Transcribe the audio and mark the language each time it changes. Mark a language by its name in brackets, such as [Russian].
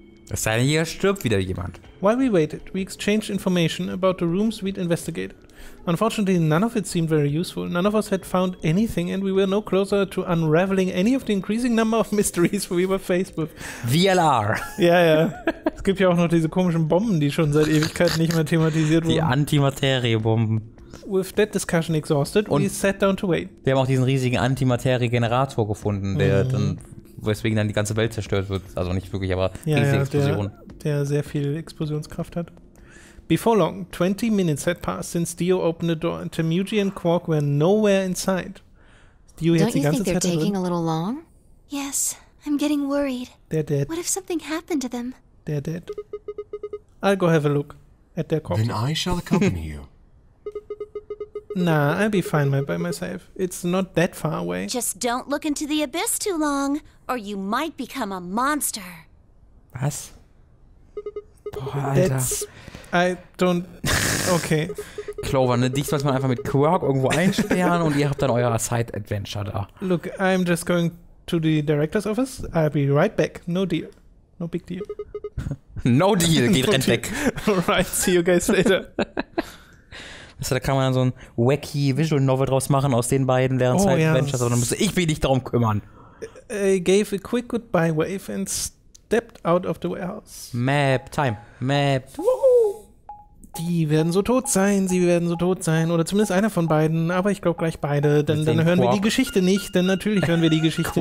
[German] Es sei denn, hier stirbt wieder jemand. [English] While we waited, we exchanged information about the rooms we'd investigated. Unfortunately, none of it seemed very useful. None of us had found anything and we were no closer to unraveling any of the increasing number of mysteries we were faced with. VLR. [German] Ja, ja. Es gibt ja auch noch diese komischen Bomben, die schon seit Ewigkeiten nicht mehr thematisiert wurden. Die Antimaterie-Bomben. With that discussion exhausted, und we sat down to wait. Wir haben auch diesen riesigen Antimaterie-Generator gefunden, der dann... weswegen dann die ganze Welt zerstört wird. Also nicht wirklich, aber ja, riesige Explosion. Der sehr viel Explosionskraft hat. [English] Before long, 20 minutes had passed since Dio opened the door and Temuji and Quark were nowhere inside. Dio Don't [German] die ganze [English] you think [German] Zeit [English] they're taking [German] drin. [English] A little long? Yes, I'm getting worried. They're dead. What if something happened to them? They're dead. I'll go have a look at their corpse. Then I shall accompany you. Nah, I'll be fine by myself. It's not that far away. Just don't look into the abyss too long, or you might become a monster. [German] Was? Boah, Alter. [English] That's... I don't... Okay. [German] Clover, ne? Dich sollte man einfach mit Quark irgendwo einsperren und ihr habt dann euer Side-Adventure da. [English] Look, I'm just going to the director's office. I'll be right back. No deal. No big deal. No deal. [German] Geht rennt weg. [English] Alright, see you guys later. [German] Also da kann man dann so ein wacky Visual Novel draus machen aus den beiden während Zeit Adventures, aber dann muss ich mich nicht darum kümmern. [English] I gave a quick goodbye wave and stepped out of the warehouse. Map, time, map. [German] Die werden so tot sein, sie werden so tot sein. Oder zumindest einer von beiden, aber ich glaube gleich beide. Denn dann hören Quark. Wir die Geschichte nicht, denn natürlich hören wir die Geschichte